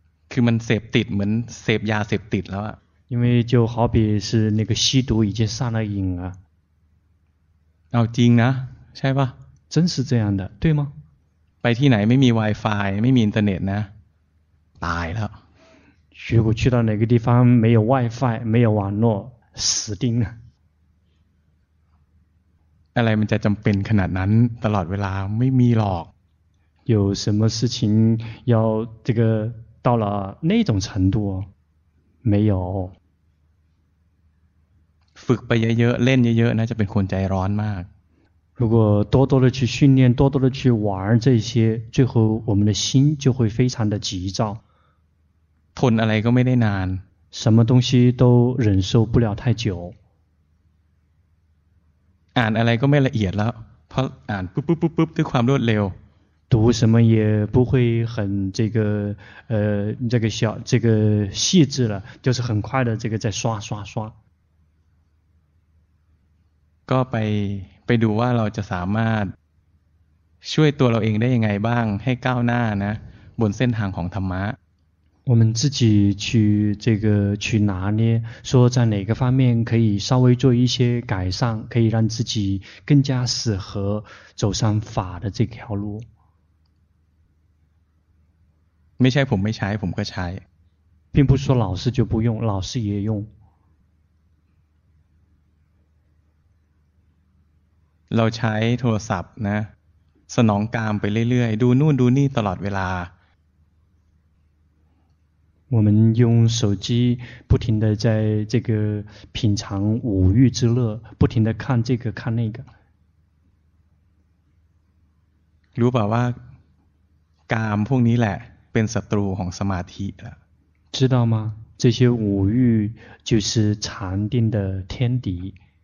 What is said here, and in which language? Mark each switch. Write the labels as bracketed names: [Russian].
[Thai] คือมันเสพติดเหมือนเสพยาเสพติดแล้วอ่ะ [Chinese] 因为就好比是那个吸毒已经上了瘾了 [Thai] เอาจริงนะใช่ป่ะ [Chinese] 真是这样的对吗 [Thai] ไปที่ไหนไม่มี Wi-Fi ไม่มีอินเทอร์เน็ตนะตายแล้ว [Chinese] 如果去到哪个地方没有 Wi-Fi 没有网络死定了 [Thai] อะไรมันจะจำเป็นขนาดนั้นตลอดเวลาไม่มีหรอก [Chinese] 有什么事情要这个到了那种程度没有 [Thai] ฝึกไปเยอะๆเล่นเยอะๆนะจะเป็นคนใจร้อนมาก [Chinese] 如果多多的去训练多多的去玩这些最后我们的心就会非常的急躁 [Thai] ทนอะไรก็ไม่ได้นาน [Chinese] 什么东西都忍受不了太久 [Thai] อ่านอะไรก็ไม่ละเอียดแล้วเพราะอ่านปุ๊บปุ๊บปุ๊บปุ๊บด้วยความรวดเร็ว [Chinese] 读什么也不会很这个这个小这个细致了就是很快的这个在刷刷刷 [Thai] ก็ไปดูว่าเราจะสามารถช่วยตัวเราเองได้ยังไงบ้างให้ก้าวหน้านะบนเส้นทางของธรรมะ [Chinese] 我们自己去这个去拿捏说在哪个方面可以稍微做一些改善可以让自己更加适合走上法的这条路 [Thai] ไม่ใช่ผมไม่ใช้ผมก็ใช้ [Chinese] 并不说老师就不用老师也用 [Thai] เราใช้โทรศัพท์นะสนองกามไปเรื่อยๆดูนู่นดูนี่ตลอดเวลา [Chinese] 我们用手机不停的在这个品尝五欲之乐不停的看这个看那个 [Thai] รู้ป่าวว่ากามพวกนี้แหละเป็นศัตรูของสมาธิแล้ว [Chinese] 知道吗这些五欲就是禅定的天敌